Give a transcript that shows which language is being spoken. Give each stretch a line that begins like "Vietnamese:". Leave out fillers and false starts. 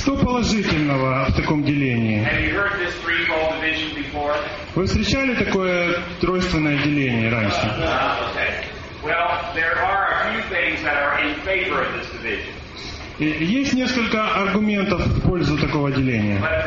Russian: Что положительного в таком делении?
English: Have you heard this threefold division before?
Russian: Вы встречали такое тройственное деление раньше?
English: Okay. Well, there are a few things that are in favor of this division.
Russian: Есть несколько аргументов в пользу такого деления.